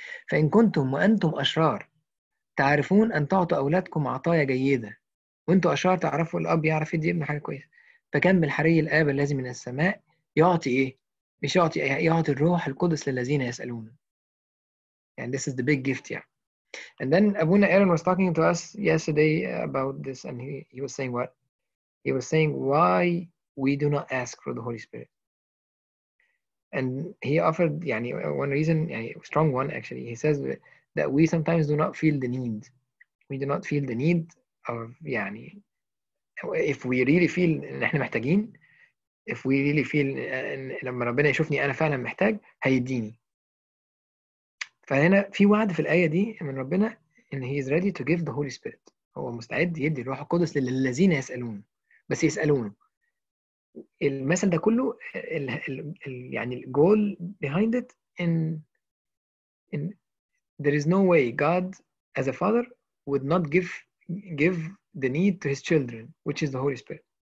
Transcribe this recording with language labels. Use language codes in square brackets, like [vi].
[ar] فإن كنتم وأنتم أشرار تعرفون أن تعطوا أولادكم عطايا جيدة, وأنتوا أشرار تعرفوا الأب يعرف يدي ابنه حاجة كويسة, فكم بالحري الآب الذي من السماء يعطي إيه؟ مش يعطي إيه؟ يعطي الروح القدس للذين يسألونه. [en] This is the big gift, And then Abuna Aaron was talking to us yesterday about this, and he was saying what? He was saying why we do not ask for the Holy Spirit. And he offered one reason, strong one actually. He says that we sometimes do not feel the need. We do not feel the need of, if we really feel [ar] إن إحنا محتاجين, [en] if we really feel [ar] إن لما ربنا يشوفني أنا فعلا محتاج, هيديني. فهنا في وعد في الآية دي من ربنا إن [en] he is ready to give the Holy Spirit. [ar] هو مستعد يدي الروح القدس للذين يسألونه, بس يسألونه. المثل ده كله الـ [en] goal behind it إن there is no way God as a father would not give the need to his children, which is the Holy Spirit.